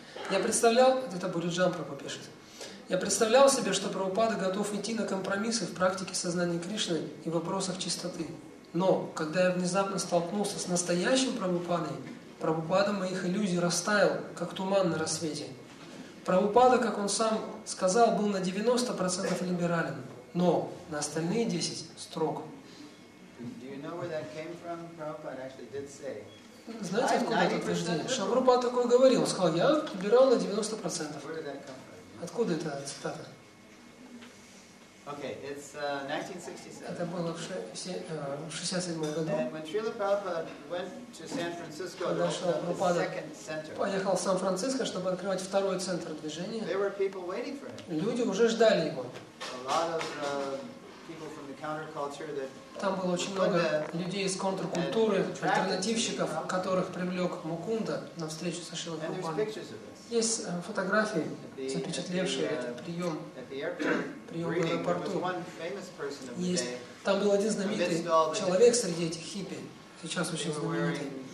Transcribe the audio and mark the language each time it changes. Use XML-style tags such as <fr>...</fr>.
<ru>Я представлял, это Бориджан Прабху пишет, я представлял себе, что Прабхупада готов идти на компромиссы в практике сознания Кришны и вопросах чистоты. Но, когда я внезапно столкнулся с настоящим Прабхупадой, Прабхупада моих иллюзий растаял, как туман на рассвете. Прабхупада, как он сам сказал, был на 90% либерален, но на остальные 10% строг.</ru> <en>Do you know where that came from? Prabhupada actually did say</en> <ru>Знаете, откуда это утверждение? Шавропа такое говорил, он сказал, я прибирал на 90%. Откуда эта цитата?</ru> <en>Okay, it's 1967.</en> <ru>Это было в 1967 году.</ru> <en>And when Srila Prabhupada went to San Francisco to open the second center,</en> <ru>поехал в Сан-Франциско, чтобы открывать второй центр движения.</ru> <en>There were people waiting for him.</en> <ru>Люди уже ждали его.</ru> <en>A lot of people from the counterculture that.</en> <ru>Там было очень много людей из контркультуры, альтернативщиков, которых привлек Мукунда на встречу со Шрилой Прабхупадой. Есть фотографии, запечатлевшие этот прием, прием в аэропорту. Есть. Там был один знаменитый человек среди этих хиппи, сейчас очень знаменитый.</ru>